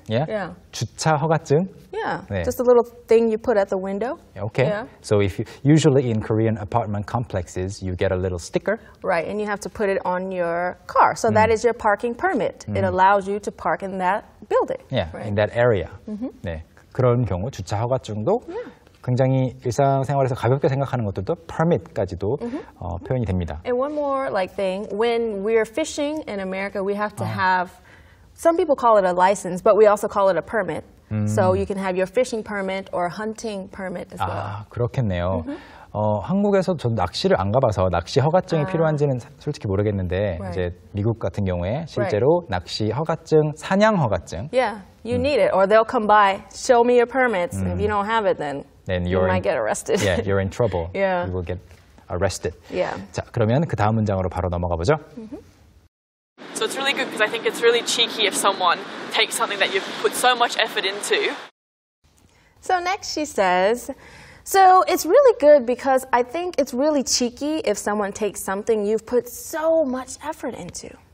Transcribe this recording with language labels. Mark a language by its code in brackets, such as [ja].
[en] Yeah. Yeah. [ko] 주차 허가증? [en] Yeah. 네. Just a little thing you put at the window. Okay. Yeah. So if you, usually in Korean apartment complexes, you get a little sticker. Right, and you have to put it on your car. So that is your parking permit. It allows you to park in that building. Yeah, right. In that area. Mm-hmm. 네. [ko] 그런 경우 주차 허가증도 굉장히 일상생활에서 가볍게 생각하는 것들도 permit까지도 표현이 됩니다. [en] And one more like thing, when we're fishing in America, we have to have, some people call it a license, but we also call it a permit. So you can have your fishing permit or hunting permit as well. [ko] 아, 그렇겠네요. 한국에서 전 낚시를 안 가봐서 낚시 허가증이 필요한지는 솔직히 모르겠는데 이제 미국 같은 경우에 실제로 낚시 허가증, 사냥 허가증. [en] Yeah, you need it or they'll come by, show me your permits. If you don't have it, then you might get arrested. Yeah, you're in trouble. Yeah. You will get arrested. Yeah. [ko] 자, 그러면 그 다음 문장으로 바로 넘어가 보죠. [en] So it's really good because I think it's really cheeky if someone takes something that you've put so much effort into. So next she says, so it's really good because I think it's really cheeky if someone takes something you've put so much effort into.